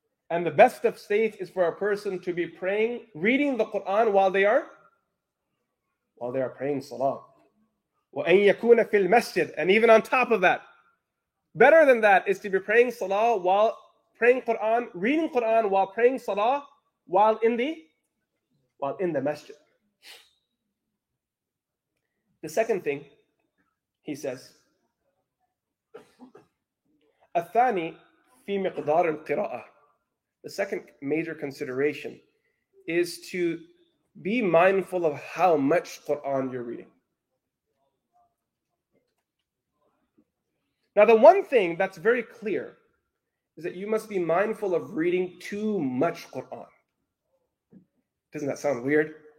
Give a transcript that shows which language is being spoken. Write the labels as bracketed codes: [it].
[en] And the best of state is for a person to be praying, reading the Quran while they are praying salah. [ar] وَأَنْ يَكُونَ فِي الْمَسْجِدِ. [en] And even on top of that, better than that is to be praying salah while praying Quran, reading Quran while praying salah while in the masjid. The second thing he says, [ar] الثاني في مقدار القراءة. [en] The second major consideration is to be mindful of how much Quran you're reading. Now, the one thing that's very clear is that you must be mindful of reading too much Quran. Doesn't that sound weird?